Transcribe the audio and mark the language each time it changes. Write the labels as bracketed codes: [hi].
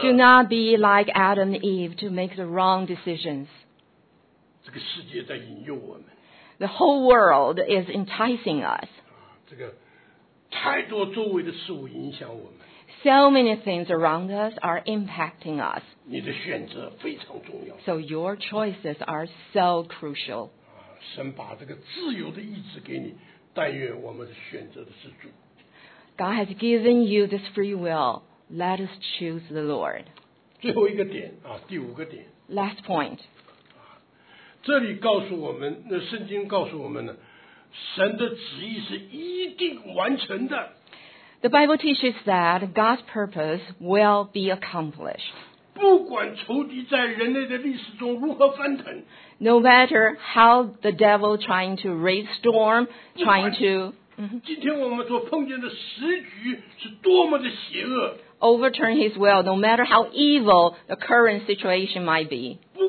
[en] Do not be like Adam and Eve to make the wrong decisions. [zh] 这个世界在引诱我们。 [en] The whole world is enticing us. [zh] 这个太多周围的事物影响我们。 [en] So many things around us are impacting us. [zh] 你的选择非常重要。 [en] So your choices are so crucial. [zh] 神把这个自由的意志给你，但愿我们选择的是主。 [en] God has given you this free will. Let us choose the Lord. [zh] 最后一个点啊，第五个点。 [en] Last point. [zh] 这里告诉我们，那圣经告诉我们呢，神的旨意是一定完成的。 [en] The Bible teaches that God's purpose will be accomplished. [zh] 不管仇敌在人类的历史中如何翻腾 [en] No matter how the devil trying to raise storm, trying to... [zh] 今天我们所碰见的时局是多么的邪恶 [en] overturn his will, no matter how evil the current situation might be.